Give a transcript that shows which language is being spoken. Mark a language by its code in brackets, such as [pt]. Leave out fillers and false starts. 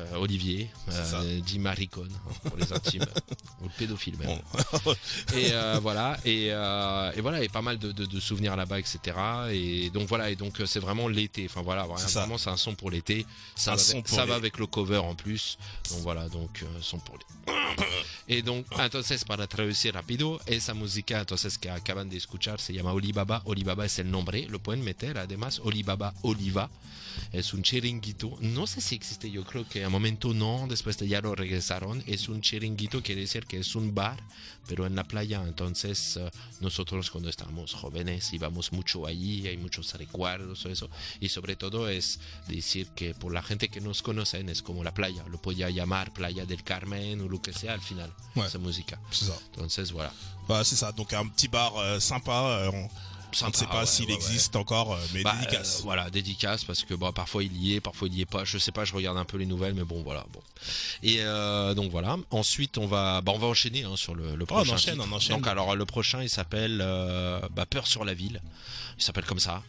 [fr] Olivier, dit maricone pour les intimes, ou le pédophile même. Bon. et voilà, et pas mal de souvenirs là-bas, etc. Et donc voilà, et donc c'est vraiment l'été. Enfin voilà, vraiment c'est un son pour l'été. Ça, va avec le cover en plus. Donc voilà, donc son pour l'été. Et donc, [es] entonces para traducir rápido, esa música entonces que acaban de escuchar se llama Alibaba. Alibaba es el nombre, lo pueden meter. Además, Alibaba Oliva es un chiringuito. No sé si existe, yo creo que a un momento no, después ya lo regresaron. Es un chiringuito, quiere decir que es un bar, pero en la playa. Entonces, nosotros cuando estábamos jóvenes íbamos mucho allí, hay muchos recuerdos o eso. Y sobre todo es decir que por la gente que nos conocen es como la playa, lo podía llamar Playa del Carmen o lo que sea al final. [fr] Ouais, sa musique. C'est ça. Donc voilà. Bah, c'est ça. Donc un petit bar sympa. On ne sait pas s'il existe encore, mais bah, dédicace. Voilà, dédicace parce que bah, parfois il y est, parfois il y est pas. Je sais pas, je regarde un peu les nouvelles, mais bon, voilà. Bon. Et donc voilà. Ensuite, on va enchaîner hein, sur le prochain. Oh, on enchaîne. Donc alors le prochain, il s'appelle Peur sur la ville. Il s'appelle comme ça.